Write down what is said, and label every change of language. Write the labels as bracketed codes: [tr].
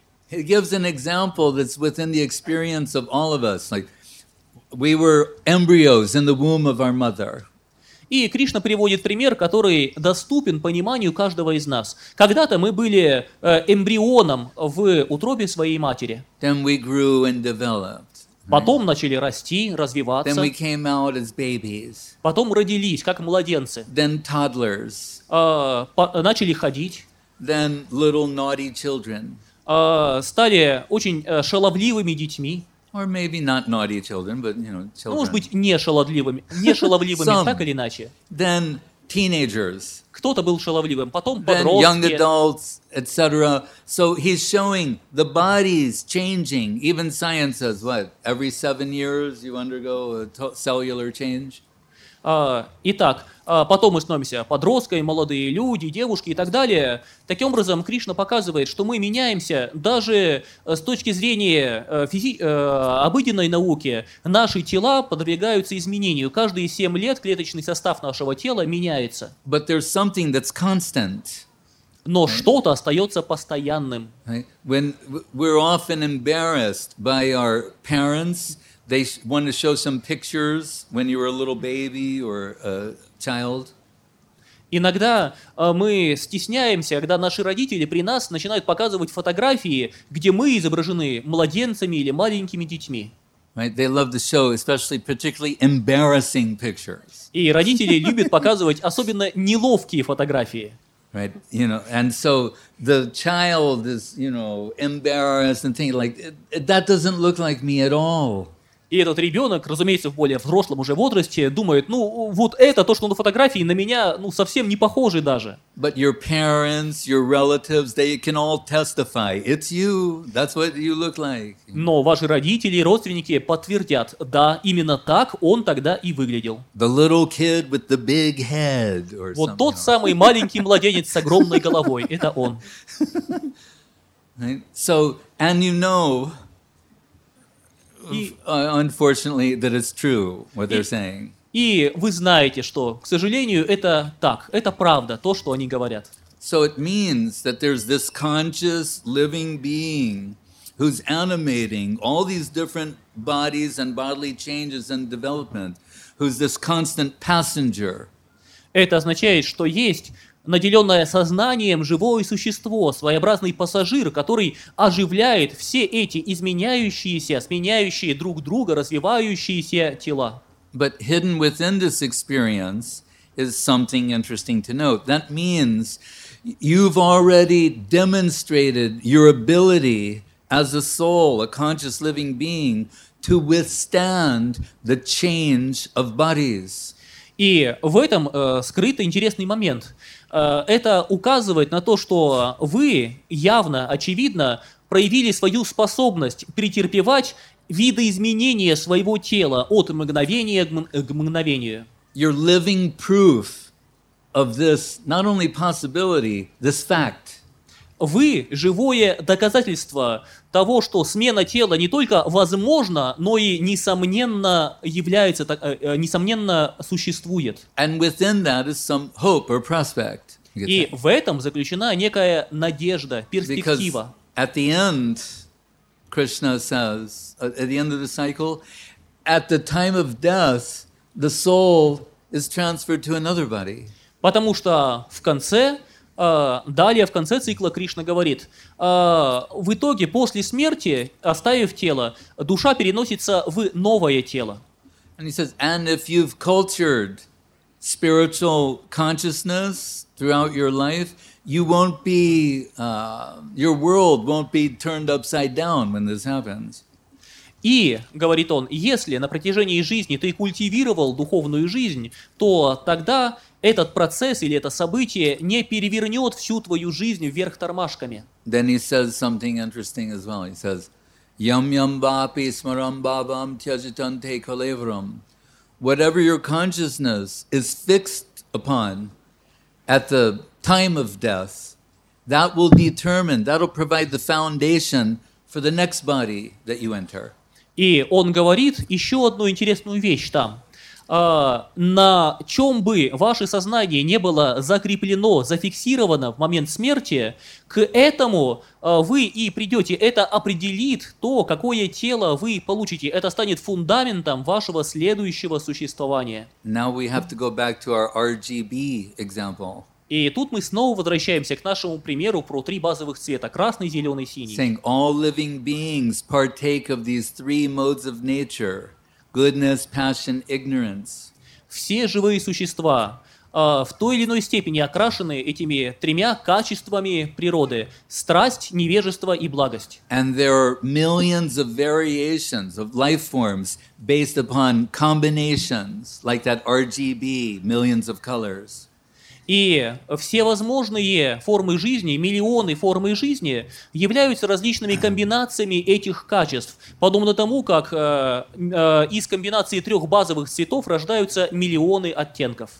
[en] It gives an example that's within the experience of all of us. Like, we were embryos in the womb of our mother. [ru] И Кришна приводит пример, который доступен пониманию каждого из нас. Когда-то мы были эмбрионом в утробе своей матери. [en] Then we grew and developed. [ru] Потом начали расти, развиваться. [en] Then we came out as babies. [ru] Потом родились, как младенцы. [en] Then toddlers. [ru] Начали ходить. [en] Then little naughty children. [ru] Стали очень шаловливыми детьми. [en] Or maybe not naughty children, but, you know, children. [ru] Может быть, не шаловливыми, не шаловливыми, [en] Some. [ru] Так или иначе. [en] Then teenagers. [ru] Кто-то был шаловливым, потом [en] Then [ru] подростки. [en] Young adults, etc. So he's showing the body's changing. Even science says, what, every 7 years you undergo a cellular change? [ru] Итак, потом мы становимся подростками, молодые люди, девушки и так далее. Таким образом, Кришна показывает, что мы меняемся даже с точки зрения обыденной науки. Наши тела подвергаются изменению. Каждые 7 лет клеточный состав нашего тела меняется. [en] But there's something that's constant. [ru] Но что-то остается постоянным. [en] When we're often embarrassed by our parents, they want to show some pictures when you were a little baby or a child. [ru] Иногда мы стесняемся, когда наши родители при нас начинают показывать фотографии, где мы изображены младенцами или маленькими детьми. [en] Right? They love to show, especially particularly embarrassing pictures. [ru] И родители любят показывать особенно неловкие фотографии. [en] Right, you know, and so the child is, you know, embarrassed and thinking like that doesn't look like me at all. [ru] И этот ребенок, разумеется, в более взрослом уже возрасте, думает, ну, вот это то, что на фотографии, на меня, ну, совсем не похоже даже. [en] But your parents, your relatives, they can all testify. It's you. That's what you look like. [ru] Но ваши родители и родственники подтвердят, да, именно так он тогда и выглядел. [en] The little kid with the big head or [ru] Вот тот самый маленький младенец с огромной головой. Это он. [en] Right? So, and you know... Unfortunately, that it's true what they're saying. [ru] И вы знаете, что, к сожалению, это так, это правда, то, что они говорят. [en] So it means that there's this conscious living being who's animating all these different bodies and bodily changes and development, who's this constant passenger. [ru] Это означает, что есть наделенное сознанием живое существо, своеобразный пассажир, который оживляет все эти изменяющиеся, сменяющие друг друга, развивающиеся тела. [en] But hidden within this experience is something interesting to note. That means you've already demonstrated your ability as a soul, a conscious living being, to withstand the change of bodies. [ru] И в этом скрыт интересный момент. Это указывает на то, что вы явно, очевидно, проявили свою способность претерпевать видоизменения своего тела от мгновения к мгновению. [en] You're living proof of this, not only possibility, this fact. [ru] Вы живое доказательство того, что смена тела не только возможна, но и несомненно является, несомненно существует. [en] And within that is some hope or prospect. [ru] И в этом заключена некая надежда, перспектива. [en] At the end, Krishna says, at the end of the cycle, at the time of death, the soul is transferred to another body. [ru] Потому что в конце далее в конце цикла Кришна говорит, в итоге, после смерти, оставив тело, душа переносится в новое тело. [en] And he says, and if you've cultured spiritual consciousness throughout your life, you won't be, your world won't be turned upside down when this happens. [ru] И, говорит он, если на протяжении жизни ты культивировал духовную жизнь, то тогда этот процесс или это событие не перевернет всю твою жизнь вверх тормашками. [en] Then he says something interesting as well. He says, [sa] "Yam yam vapi smaram bhavam tyajitante kalevram." [en] Whatever your consciousness is fixed upon at the time of death, that will determine, that'll provide the foundation for the next body that you enter. [ru] И он говорит еще одну интересную вещь там. На чем бы ваше сознание не было закреплено, зафиксировано в момент смерти, к этому вы и придете. Это определит то, какое тело вы получите. Это станет фундаментом вашего следующего существования. [en] Now we have to go back to our RGB example. [ru] И тут мы снова возвращаемся к нашему примеру про три базовых цвета – красный, зеленый, синий. [en] Saying all living beings partake of these three modes of nature – goodness, passion, ignorance. [ru] Все живые существа в той или иной степени окрашены этими тремя качествами природы – страсть, невежество и благость. [en] And there are millions of variations of life forms based upon combinations, like that RGB, millions of colors. [ru] И все возможные формы жизни, миллионы формы жизни, являются различными комбинациями этих качеств, подобно тому, как из комбинации трех базовых цветов рождаются миллионы оттенков.